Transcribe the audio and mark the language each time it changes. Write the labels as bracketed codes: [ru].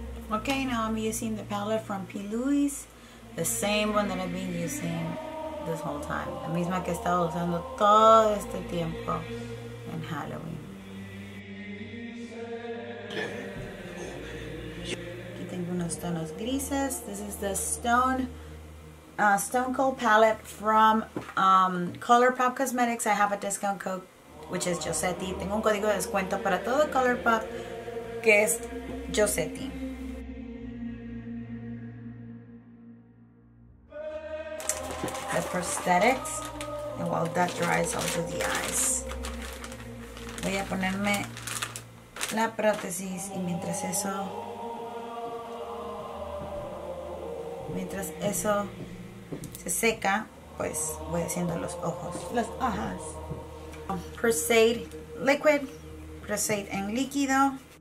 [en] Okay, now I'm using the palette from P. Louis, the same one that I've been using this whole time. [es] La misma que he estado usando todo este tiempo en Halloween. Aquí tengo unos tonos grises. [en] This is the Stone Cold palette from ColourPop Cosmetics. I have a discount code, which is Josetty. [es] Tengo un código de descuento para todo ColourPop, que es Josetty. [en] The prosthetics, and while that dries, I'll do the eyes. [es] Voy a ponerme la prótesis y mientras eso se seca, pues voy haciendo los ojos. Los ojos. Prosade liquid, prosade en líquido.